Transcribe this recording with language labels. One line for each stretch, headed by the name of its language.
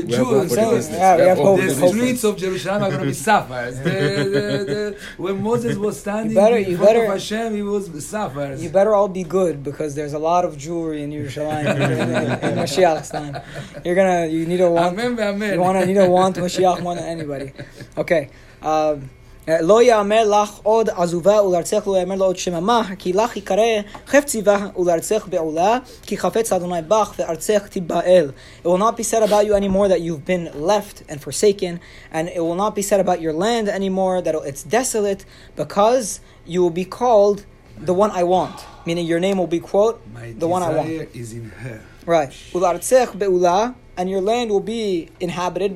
English: The streets of Jerusalem are going to be sapphires. When Moses was standing in front of Hashem, he was sapphires. You better all be good, because there's a lot of jewelry in Jerusalem in Mashiach's time. You need to want Mashiach more than anybody. Okay.
Hebrew: לא יאמר לך עוד עזובה ולארצך לא יאמר לו עוד שממה כי לך יקרא חפציבה ולארצך בעולה כי חפץ אדוני בך וארצך תיבעל.
English: It will not be said about you anymore that you've been left and forsaken, and it will not be said about your land anymore that it's desolate, because you will be called the one I want, meaning your name will be, quote, the one I want. My desire is in her. Right.
Hebrew: ולארצך בעולה.
English: And your land will be inhabited.